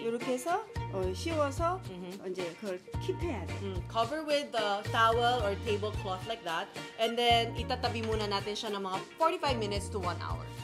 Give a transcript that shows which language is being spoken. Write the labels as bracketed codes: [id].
[ko] 이렇게 해서 쉬워서 이제 그걸 킵해야 돼. [en] Cover with the towel or tablecloth like that. And then, [tl] itatabi muna natin siya ng mga [en] 45 minutes to 1 hour.